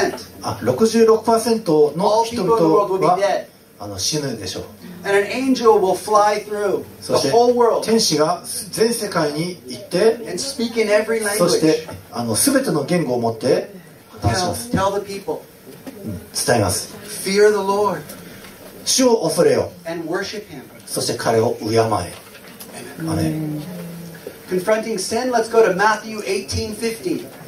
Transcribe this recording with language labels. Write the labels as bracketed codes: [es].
[ja] 66% の人々は死ぬでしょう。 [en] And an angel will fly through the whole world. [ja] 天使が全世界に行って、 [en] and speak in every language. [ja] そして、すべての言語を持って話します。 [en] Tell the people. [ja] 伝えます。 [en] Fear the Lord. [ja] 主を恐れよ。 [en] And worship him. [ja] そして彼を敬え。 [en] Amen. Amen. Confronting sin, let's go to Matthew 18:15.